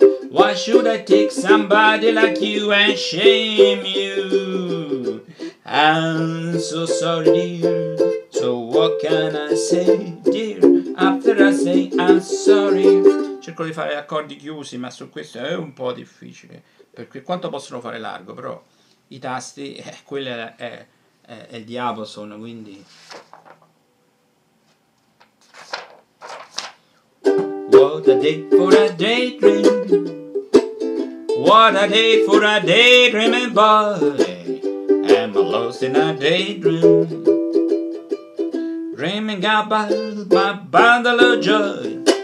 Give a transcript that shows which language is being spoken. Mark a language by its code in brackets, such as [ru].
[en] Why should I take somebody like you and shame you? I'm so sorry, dear. So what can I say, dear, after I say I'm sorry? [it] Cerco di fare accordi chiusi, ma su questo è un po' difficile, perché quanto possono fare largo, però i tasti, quello è il diapason, quindi... [en] What a day for a daydream, what a day for a daydreaming boy, am I lost in a daydream, dreaming about my bundle of joy.